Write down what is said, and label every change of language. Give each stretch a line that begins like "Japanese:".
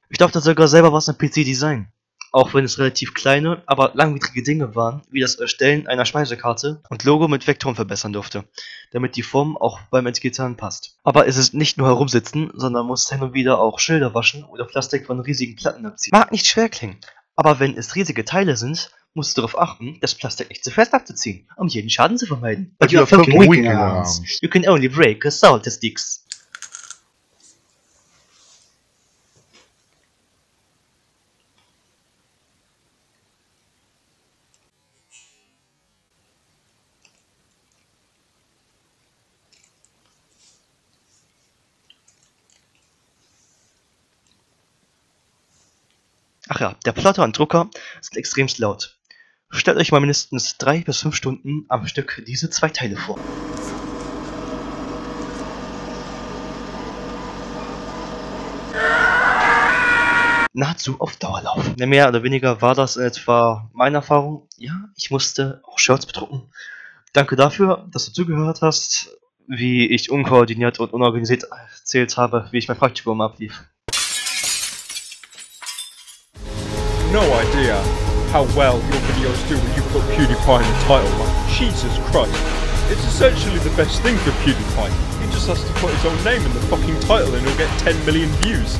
German: Ich durfte sogar selber was am PC designen. Auch wenn es relativ kleine, aber langwierige Dinge waren, wie das Erstellen einer Speisekarte und Logo mit Vektoren verbessern durfte, damit die Form auch beim Entgittern passt. Aber es ist nicht nur herumsitzen, sondern muss hin und wieder auch Schilder waschen oder Plastik von riesigen Platten abziehen. Mag nicht schwer klingen, aber wenn es riesige Teile sind, musst du darauf achten, das Plastik nicht zu fest abzuziehen, um jeden Schaden zu vermeiden.
English: But you're fucking weak in arms. You can only break assault sticks.
German: Ach ja, der Plotter und Drucker sind extremst laut. Stellt euch mal mindestens 3 bis 5 Stunden am Stück diese zwei Teile vor. Nahezu auf Dauerlauf. Mehr oder weniger war das in etwa meine Erfahrung. Ja, ich musste auch Shirts bedrucken. Danke dafür, dass du zugehört hast, wie ich unkoordiniert und unorganisiert erzählt habe, wie ich mein Praktikum ablief.
English: No idea how well your videos do when you put PewDiePie in the title, man. Jesus Christ. It's essentially the best thing for PewDiePie. He just has to put his own name in the fucking title and he'll get 10 million views.